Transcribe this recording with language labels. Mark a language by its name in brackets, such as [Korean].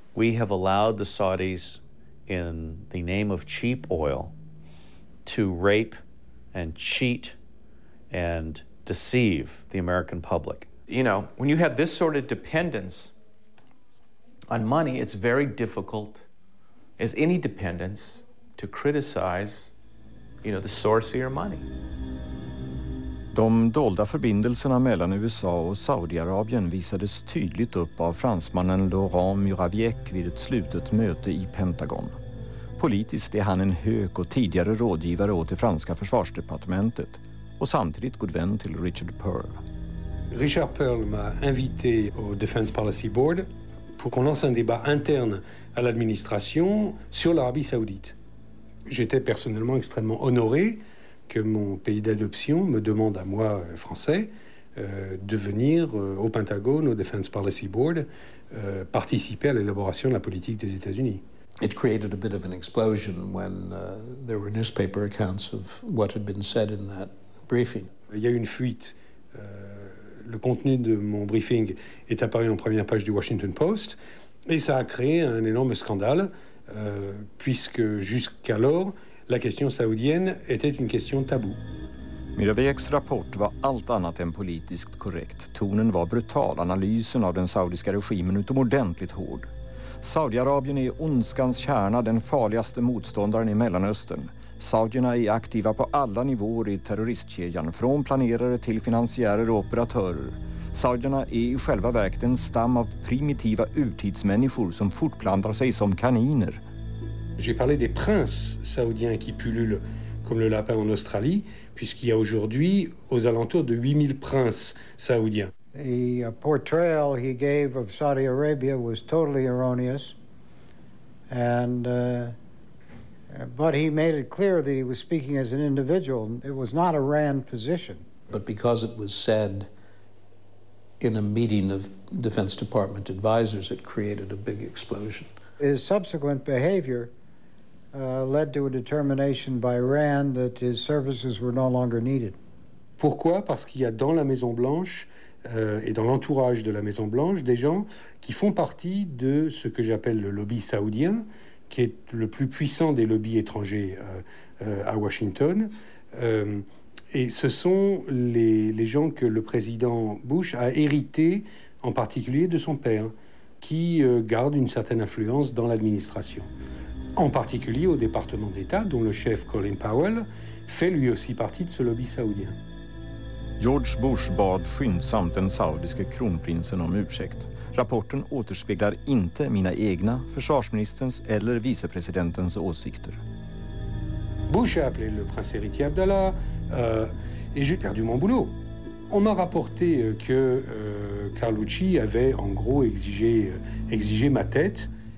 [English] We have allowed the Saudis, in the name of cheap oil, to rape and cheat and deceive the American public. You know, when you have this sort of dependence on money, it's very difficult, as any dependence, to criticize, you know, the source of your money. [Swedish] De dolda förbindelserna mellan USA och Saudiarabien visades tydligt upp av fransmannen Laurent Muraviec vid ett slutet möte i Pentagon. Politiskt är han en hög och tidigare rådgivare åt det franska försvarsdepartementet och samtidigt god vän till Richard Pearl. [French] Richard Pearl m'a invité au Defense Policy Board pour qu'on lance un débat interne à l'administration sur l'Arabie Saoudite. J'étais personnellement extrêmement honoré que mon pays d'adoption me demande à moi, français, de venir au Pentagone, au Defense Policy Board, participer à l'élaboration de la politique des États-Unis. [English] It created a bit of an explosion when there were newspaper accounts of what had been said in that briefing. [French] Il y a eu une fuite. Le contenu de mon briefing est apparu en première page du Washington Post, et ça a créé un énorme scandale, puisque jusqu'alors, la question saoudienne était une question tabou. [Swedish] Miraviecs rapport var allt annat än politiskt korrekt. Tonen var brutal, analysen av den saudiska regimen utomordentligt hård. Saudiarabien är ondskans kärna, den farligaste motståndaren i Mellanöstern. Saudierna är aktiva på alla nivåer i terroristkedjan, från planerare till finansiärer och operatörer. Saudierna är i själva verket en stam av primitiva urtidsmänniskor som fortplantar sig som kaniner. [French] J'ai parlé des princes saoudiens qui pullulent comme le lapin en Australie, puisqu'il y a aujourd'hui aux alentours de 8000 princes saoudiens. [English] The portrayal he gave of Saudi Arabia was totally erroneous, but he made it clear that he was speaking as an individual. It was not a RAND position. But because it was said in a meeting of Defense Department advisors, it created a big explosion. His subsequent behavior led to a determination by RAND that his services were no longer needed. [French] Pourquoi? Parce qu'il y a dans la Maison Blanche et dans l'entourage de la Maison Blanche des gens qui font partie de ce que j'appelle le lobby saoudien, qui est le plus puissant des lobbies étrangers à Washington. Et ce sont les gens que le président Bush a hérité en particulier de son père, qui garde une certaine influence dans l'administration. En particulier au département d'État, dont le chef Colin Powell fait lui aussi partie de ce lobby saoudien. [Swedish] George Bush bad skyndsamt den saudiske kronprinsen om ursäkt. Rapporten återspeglar inte mina egna, försvarsministerns eller vicepresidentens åsikter. [French] Bush a appelé le prince héritier Abdallah et j'ai perdu mon boulot. On m'a rapporté que Carlucci avait en gros exigé ma tête.